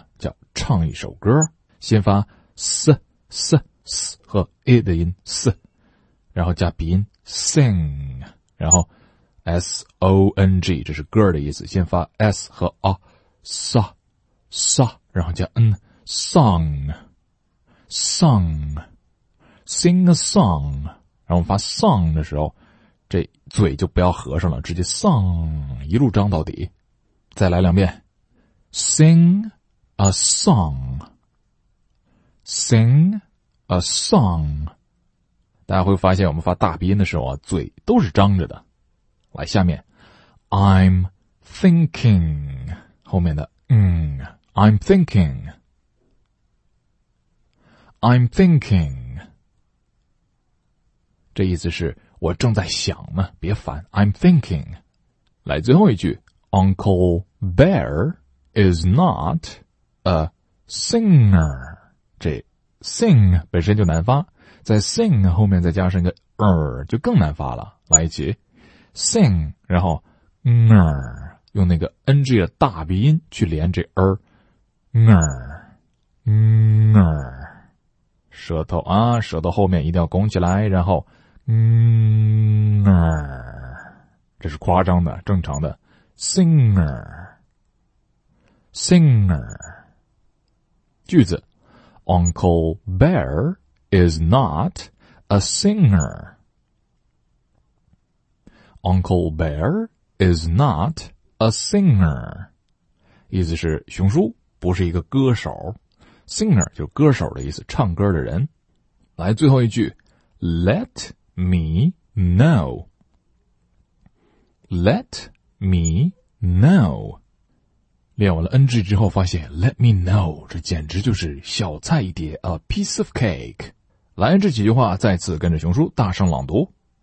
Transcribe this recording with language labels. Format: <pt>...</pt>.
<zh>叫唱一首歌，先发 s s s 和 a 的音 s, 然后加鼻音 sing, 然后 s o n g, 这是歌的意思，先发 s 和 a s s, 然后加 n song song,</zh> <en>sing a song,</en> <zh>然后发 song 的时候，这嘴就不要合上了，直接 song 一路张到底。再来两遍</zh> <en>singA song. Sing a song.</en> <zh>大家会发现我们发大鼻音的时候啊，嘴都是张着的。来，下面</zh> <en>I'm thinking.</en> <zh>后面的嗯</zh> <en>I'm thinking. I'm thinking.</en> <zh>这意思是我正在想呢，别烦</zh> <en>I'm thinking.</en> <zh>来，最后一句</zh> <en>Uncle Bear is notA singer,</en> <zh>这 sing 本身就难发，在 sing 后面再加上一个 就更难发了。来一起 sing, 然后 ner, 用那个 ng 的大鼻音去连这 ner, ner, 舌头啊，舌头后面一定要拱起来，然后 ner, 这是夸张的，正常的 singer, singer,句子</zh> <en>Uncle Bear is not a singer. Uncle Bear is not a singer.</en> <zh>意思是熊叔不是一个歌手。Singer 就是歌手的意思，唱歌的人。来，最后一句</zh> <en>Let me know. Let me know.</en> <zh>练完了 NG 之后发现</zh> <en>Let me know,</en> <zh>这简直就是小菜一碟</zh> <en>A piece of cake.</en> <zh>来，这几句话再次跟着熊叔大声朗读。</zh>